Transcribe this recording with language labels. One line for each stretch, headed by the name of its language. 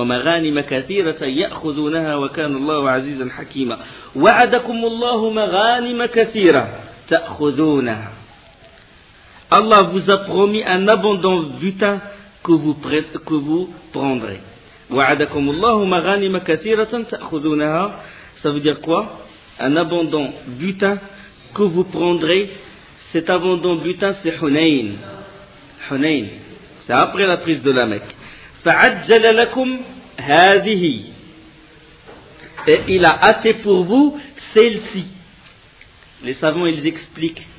Arabic: ومغانم كثيرة يأخذونها وكان الله عزيزا حكيما وعدكم الله مغانم كثيرة تأخذونها.
French: Allah vous a promis un abondant butin que vous prendrez.
Arabic: وعدكم الله مغانم كثيرة تأخذونها.
French: Ça veut dire quoi? Un abondant butin que vous prendrez. Cet abondant butin, c'est Hunayn. Hunayn. C'est après la prise de la Mecque.
Arabic: فعجل لكم هذه.
French: Et il a hâté pour vous celle-ci. Les savants, ils expliquent.